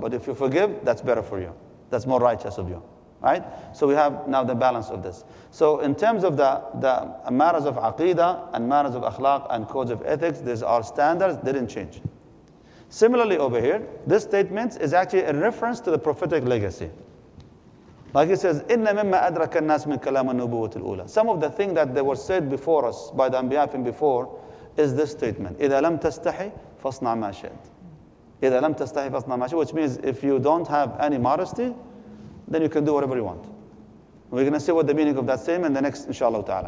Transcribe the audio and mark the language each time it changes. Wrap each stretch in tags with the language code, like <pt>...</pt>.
<en>But if you forgive, that's better for you. That's more righteous of you. Right? So we have now the balance of this. So in terms of the matters of aqeedah and matters of akhlaq and codes of ethics, these are standards, they didn't change. Similarly over here, this statement is actually a reference to the prophetic legacy.</en> <ar>Like he says, إِنَّ مِمَّا أَدْرَكَ النَّاسِ مِنْ كَلَامَ النُّبُوَةِ الْأُولَى.</ar> <en>Some of the things that they were said before us by the Anbiya from before is this statement.</en> <ar>إِذَا لَمْ تَسْتَحِي فَاصْنَعْ مَا شَئْتَ. إِذَا لَمْ تَسْتَحِي فَاصْنَعْ مَا شَئْتَ.</ar> <en>Which means if you don't have any modesty, then you can do whatever you want. We're going to see what the meaning of that same in the next, inshallah ta'ala.</en>